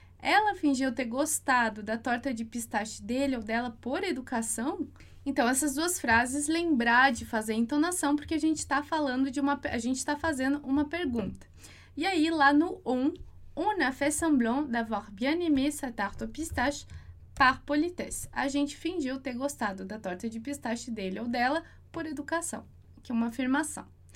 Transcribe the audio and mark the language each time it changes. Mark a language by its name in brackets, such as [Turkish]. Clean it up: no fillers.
[Portuguese] Ela fingiu ter gostado da torta de pistache dele ou dela por educação. Então, essas duas frases, lembrar de fazer a entonação, porque a gente está falando de uma... A gente está fazendo uma pergunta. E aí, lá no [French] on a fait semblant d'avoir bien aimé sa tarte au pistache par politesse. [Portuguese] A gente fingiu ter gostado da torta de pistache dele ou dela por educação, que é uma afirmação.